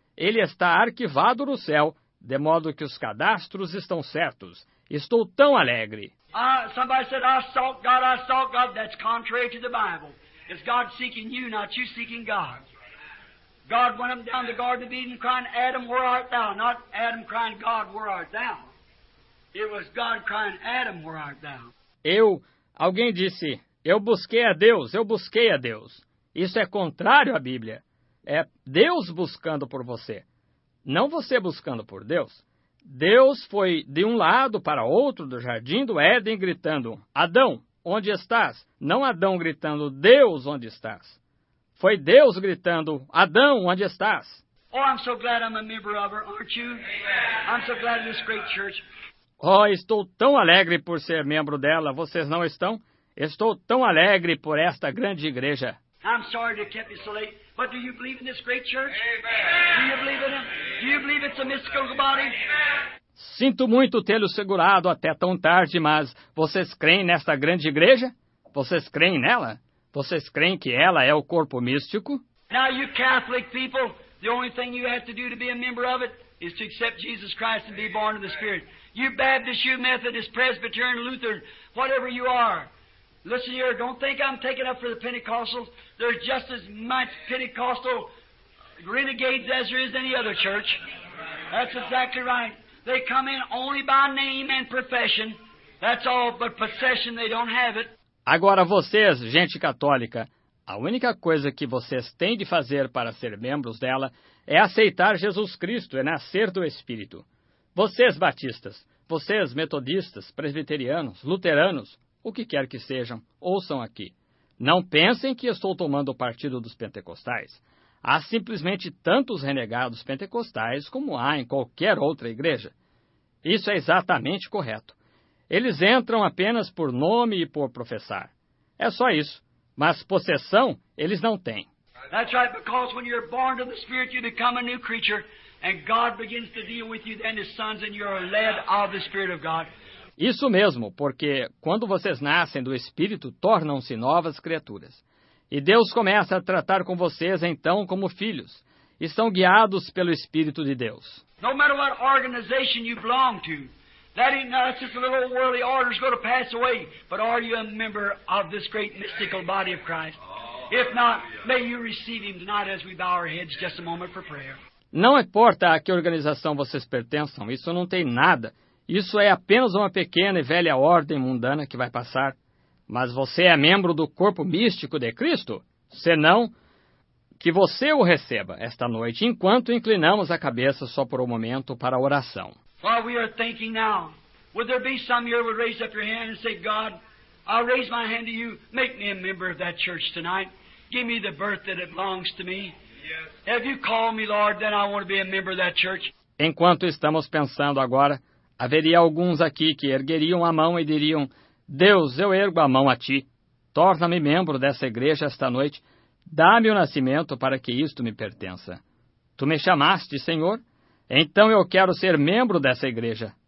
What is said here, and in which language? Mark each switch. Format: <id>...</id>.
<pt>Ele está arquivado no céu, de modo que os cadastros estão certos. Estou tão alegre.</pt> <en>Somebody said, I sought God, that's contrary to the Bible. It's God seeking you, not you seeking God. God went up down the Garden of Eden crying, Adam, where art thou? Not Adam crying, God, where art thou? It was God crying, Adam, where art thou?</en> <pt>Alguém disse, eu busquei a Deus. Isso é contrário à Bíblia. É Deus buscando por você. Não você buscando por Deus. Deus foi de um lado para outro do jardim do Éden gritando, Adão, onde estás? Não Adão gritando, Deus, onde estás? Foi Deus gritando, Adão, onde estás?</pt> <en>Oh, I'm so glad I'm a member of her, aren't you? I'm so glad in this great church.</en> <pt>Oh, estou tão alegre por ser membro dela, vocês não estão? Estou tão alegre por esta grande igreja.</pt> <en>I'm sorry to keep you so late, but do you believe in this great church? Amen. Do you believe in it? Do you believe it's a mystical body?</en> <pt>Sinto muito tê-lo segurado até tão tarde, mas vocês creem nesta grande igreja? Vocês creem nela? Vocês creem que ela é o corpo místico?</pt> <en>Now you Catholic people, the only thing you have to do to be a member of it is to accept Jesus Christ and be born of the Spirit. You Baptist, you Methodist, Presbyterian, Lutheran, whatever you are, listen here, don't think I'm taking up for the Pentecostals. There's just as much Pentecostal renegades as there is any other church. That's exactly right. They come in only by name and profession. That's all, but possession, they don't have it.</en> <pt>Agora vocês, gente católica, a única coisa que vocês têm de fazer para ser membros dela é aceitar Jesus Cristo, é nascer do Espírito. Vocês, batistas, vocês, metodistas, presbiterianos, luteranos, o que quer que sejam, ouçam aqui. Não pensem que estou tomando partido dos pentecostais. Há simplesmente tantos renegados pentecostais como há em qualquer outra igreja. Isso é exatamente correto. Eles entram apenas por nome e por professar. É só isso. Mas possessão, eles não têm.</pt> <en>That's right, because when you're born of the Spirit, you become a new creature, and God begins to deal with you then as sons, and you're led of the Spirit of God.</en> <pt>Isso mesmo, porque quando vocês nascem do Espírito, tornam-se novas criaturas. E Deus começa a tratar com vocês, então, como filhos. Estão guiados pelo Espírito de Deus.</pt> <en>No matter what organization you belong to, that ain't not just a little worldly order is going to pass away. But are you a member of this great mystical body of Christ? If not, may you receive him tonight as we bow our heads just a moment for prayer.</en> <pt>Não importa a que organização vocês pertençam, isso não tem nada. Isso é apenas uma pequena e velha ordem mundana que vai passar. Mas você é membro do corpo místico de Cristo? Senão, que você o receba esta noite, enquanto inclinamos a cabeça só por um momento para a oração.</pt> <en>While we are thinking now, would there be some here who would raise up your hand and say, God, I'll raise my hand to you. Make me a member of that church tonight. Give me the birth that it belongs to me. Yes. Have you called me, Lord, then I want to be a member of that church.</en> <pt>Enquanto estamos pensando agora, haveria alguns aqui que ergueriam a mão e diriam: Deus, eu ergo a mão a ti. Torna-me membro dessa igreja esta noite. Dá-me o nascimento para que isto me pertença. Tu me chamaste, Senhor? Então eu quero ser membro dessa igreja.</pt>